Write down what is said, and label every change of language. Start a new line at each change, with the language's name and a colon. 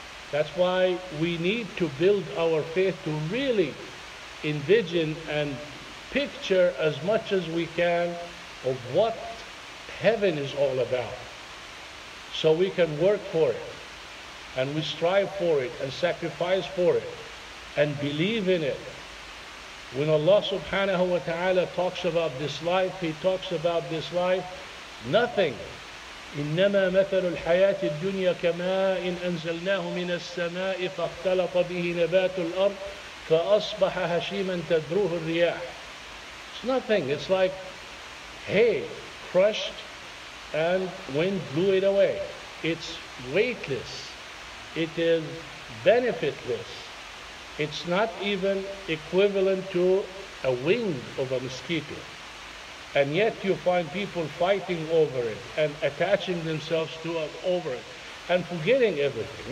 English: That's why we need to build our faith to really envision and picture as much as we can of what heaven is all about. So we can work for it, and we strive for it, and sacrifice for it, and believe in it. When Allah subhanahu wa ta'ala talks about this life, He talks about this life, nothing.
Arabic: إنما مثل الحياة الدنيا كماء أنزلناه من السماء فاختلط به نبات الأرض فأصبح هشيما تدروه الرياح
English: It's nothing, it's like hay crushed and wind blew it away. It's weightless, it is benefitless. It's not even equivalent to a wing of a mosquito. And yet you find people fighting over it and attaching themselves to it, over it and forgetting everything.